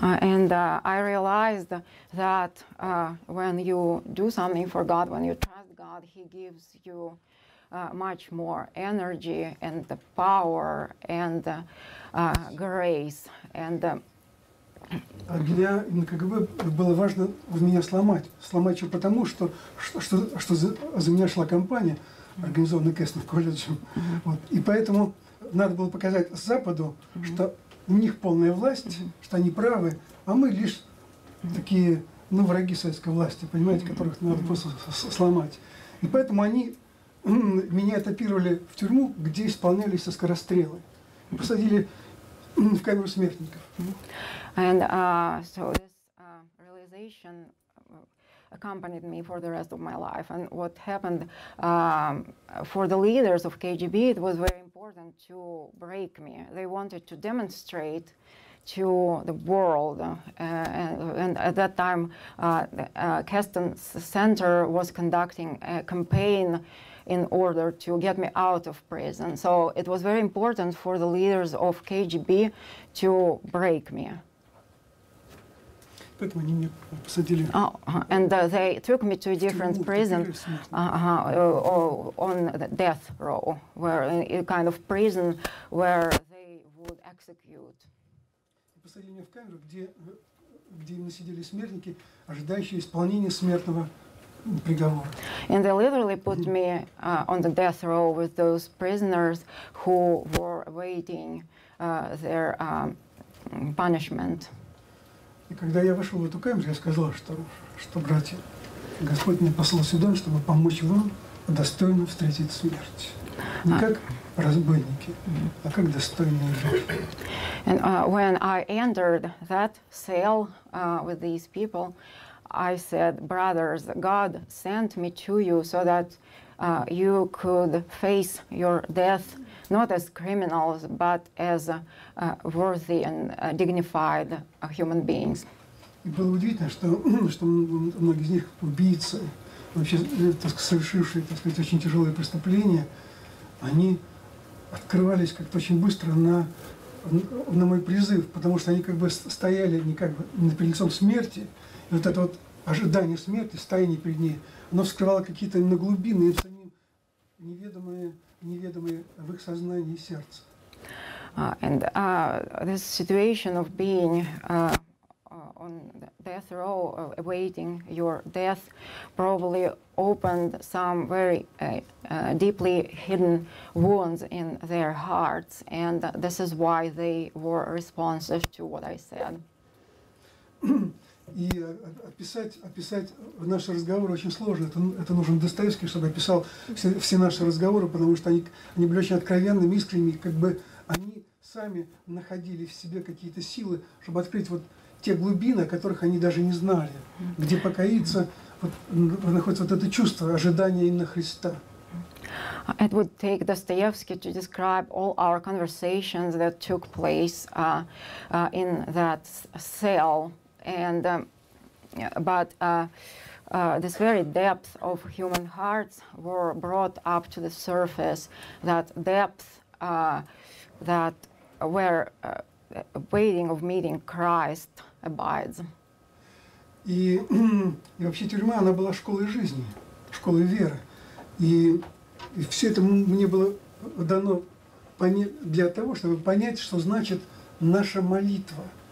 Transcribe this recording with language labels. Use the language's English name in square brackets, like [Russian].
[English] And I realized that when you do something for God, when you trust God, He gives you much more energy and the power and grace and. [Russian] А для НКГБ было важно меня сломать его, потому что за меня шла кампания, организованная Кэстон колледжем. Вот. И поэтому надо было показать Западу, что у них полная власть, что они правы, а мы лишь такие, ну, враги советской власти, понимаете, которых надо просто сломать. И поэтому они меня этапировали в тюрьму, где исполнялись со скорострелы. Посадили в камеру смертников. [English] And so this realization accompanied me for the rest of my life. And what happened for the leaders of KGB, it was very important to break me. They wanted to demonstrate to the world. And at that time, the Keston Center was conducting a campaign in order to get me out of prison. So it was very important for the leaders of KGB to break me. [Russian] Поэтому они меня посадили. [English] And they took me to a different prison, on the death row, where a kind of prison where they would execute. [Russian] Посадили меня в камеру, где именно сидели смертники, ожидающие исполнения смертного приговора. [English] And they literally put me on the death row with those prisoners who were awaiting their punishment. [Russian] И когда я вошел в эту камеру, я сказал, что братья, Господь меня послал сюда, чтобы помочь вам достойно встретить смерть. Не как разбойники, а как достойные жертвы. [English] And when I entered that cell with these people, I said, brothers, God sent me to you so that you could face your death not as criminals, but as worthy and dignified human beings. [Russian] И было удивительно, что многие из них убийцы, вообще совершившие, так сказать, очень тяжелые преступления, они открывались как-то очень быстро на мой призыв, потому что они как бы стояли не как бы не перед лицом смерти, и вот это вот ожидание смерти, стояние перед ней, оно вскрывало какие-то на глубины и самим неведомые в их сознании и сердце. [English] And this situation of being on death row, awaiting your death, probably opened some very deeply hidden wounds in their hearts, and this is why they were responsive to what I said. [Russian] И описать наши разговоры очень сложно. Это нужен Достоевский, чтобы описал все наши разговоры, потому что они были очень откровенными, искренними, как бы они сами находили в себе какие-то силы, чтобы открыть вот те глубины, о которых они даже не знали, где покаяться, вот, находится вот это чувство ожидания именно Христа. [English] It would take Dostoevsky to describe all our conversations that took place in that cell. And but this very depth of human hearts were brought up to the surface, that depth that where waiting of meeting Christ abides. [Russian] И вообще тюрьма, она была школой жизни, школой веры. И все это мне было дано для того, чтобы понять, что значит наша молитва.